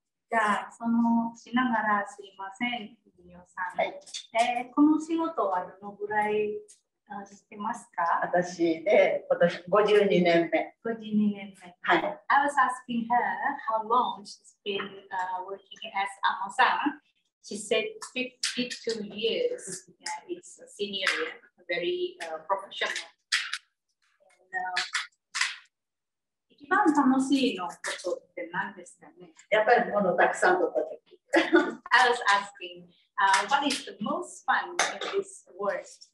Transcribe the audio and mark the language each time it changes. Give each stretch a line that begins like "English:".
Japanese: じゃあそのしながらすいません、ユミオさん。はい。この仕事はどのぐらいしてますか？私で、私52年目。 52年目。はい。
English: I was asking her how long she's been working as Amo-san. She said 52 years. Yeah, it's a senior, very professional.
Japanese: And,一番楽しいのことって何ですかね？やっぱりものたくさん取ったとき。
English: I was asking, what is the most fun in this world?